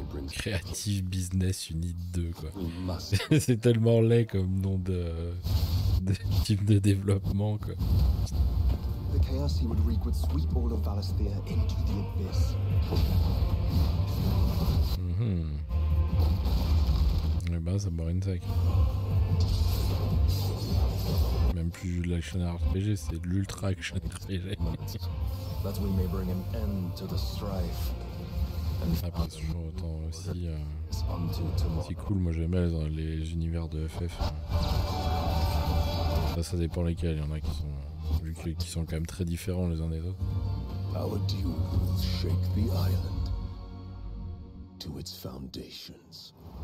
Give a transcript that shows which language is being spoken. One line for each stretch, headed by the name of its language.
French: Creative Business Unit 2, quoi. C'est tellement laid comme nom de type de développement, quoi.
English: The chaos he would wreak would sweep all of Valisthea into the abyss.
French: Eh ben, ça me rend sec. Même plus de l'action RPG, c'est de l'ultra action RPG.
English: That we may bring an end to the strife.
French: Ça passe toujours autant aussi. C'est cool, moi j'aime bien les univers de FF. Ça, ça dépend lesquels, il y en a qui sont. Vu qu'ils sont quand même très différents les uns des autres.
English: Our duel will shake the island to its foundations.